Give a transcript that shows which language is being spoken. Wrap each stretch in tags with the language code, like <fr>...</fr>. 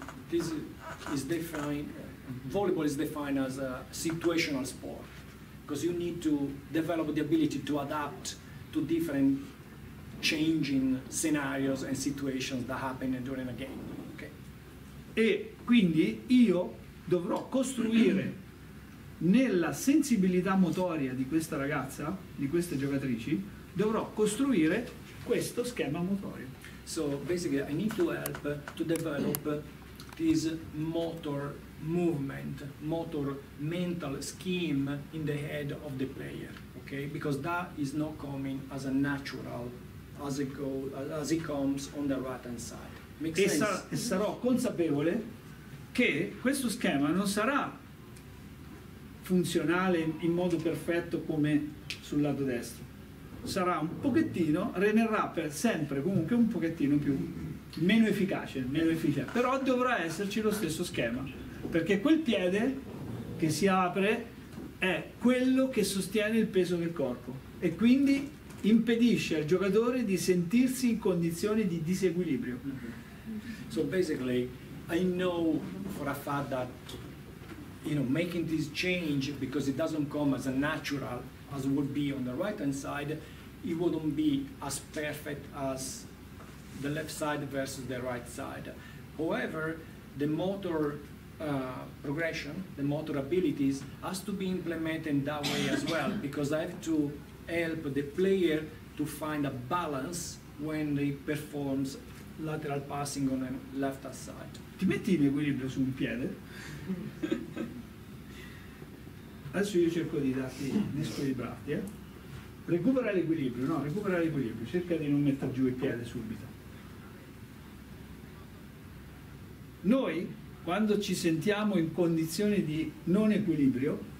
<en>This is defined, volleyball is defined as a situational sport, because you need to develop the ability to adapt to different changing scenarios and situations that happen during a game. Okay.</en> <it>E quindi io dovrò costruire nella sensibilità motoria di questa ragazza, di queste giocatrici, dovrò costruire questo schema motorio.</it> <en>So basically I need to help to develop this motor movement, motor mental scheme in the head of the player, okay? Because that is not coming as a natural as it comes on the right hand side. Makes sense.</en> <it>E sarò consapevole che questo schema non sarà funzionale in modo perfetto come sul lato destro. Sarà un pochettino, renderà per sempre comunque un pochettino più meno efficace. Però dovrà esserci lo stesso schema, perché quel piede che si apre è quello che sostiene il peso del corpo e quindi impedisce al giocatore di sentirsi in condizione di disequilibrio. Mm-hmm.</it> <en>So basically, I know for a fact that, you know, making this change, because it doesn't come as a natural as would be on the right hand side, it wouldn't be as perfect as the left side versus the right side. However, the motor progression, the motor abilities, has to be implemented that way as well, because I have to help the player to find a balance when he performs lateral passing on the left hand side.</en> <it>Ti metti in equilibrio su un piede? Adesso io cerco di darti di squilibrarti, eh? Recupera l'equilibrio, no? Recupera l'equilibrio, cerca di non mettere giù il piede subito. Noi, quando ci sentiamo in condizioni di non equilibrio,</it>